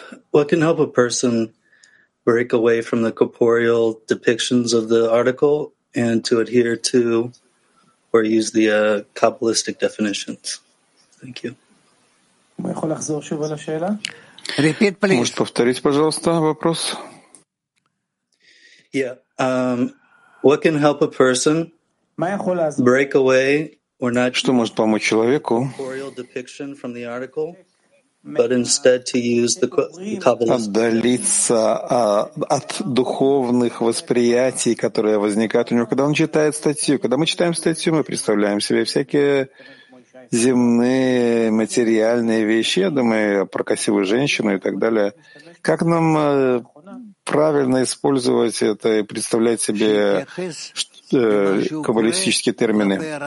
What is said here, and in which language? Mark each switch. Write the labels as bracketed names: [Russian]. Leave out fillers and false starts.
[English] What can help a person break away from the corporeal depictions of the article and to adhere to or use the Kabbalistic definitions. Thank you. Repeat, please. [Russian] Может повторить, пожалуйста, вопрос? [English] Yeah. What can help a person break away or not [Russian] что может помочь человеку? [English] Corporeal depiction from the article? But instead to use the [Russian] отдалиться от духовных восприятий, которые возникают у него, когда он читает статью. Когда мы читаем статью, мы представляем себе всякие земные, материальные вещи. Я думаю, про красивую женщину и так далее. Как нам правильно использовать это и представлять себе каббалистические термины?